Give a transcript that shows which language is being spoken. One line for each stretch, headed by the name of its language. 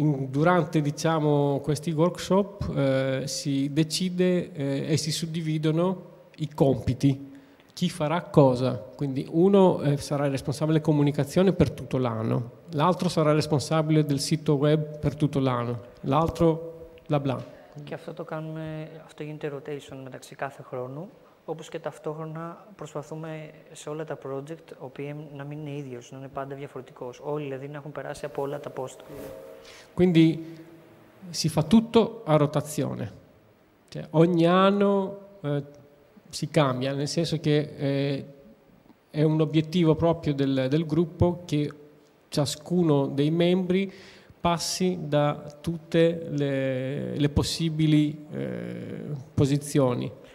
Italian: Durante questi workshop si decide e si suddividono i compiti, chi farà cosa. Quindi uno sarà il responsabile comunicazione per tutto l'anno, l'altro sarà responsabile del sito web per tutto l'anno, l'altro bla bla.
Greek: Και αυτό το κάνουμε, αυτό γίνεται rotation μεταξύ κάθε χρόνου, όπως και ταυτόχρονα προσπαθούμε σε όλα τα project, ο PM να μην είναι ίδιος, να είναι πάντα διαφορετικός. Όλοι δηλαδή να έχουν περάσει από όλα τα post.
Italian: Quindi si fa tutto a rotazione. Cioè, ogni anno si cambia, nel senso che è un obiettivo proprio del gruppo che ciascuno dei membri passi da tutte le possibili posizioni.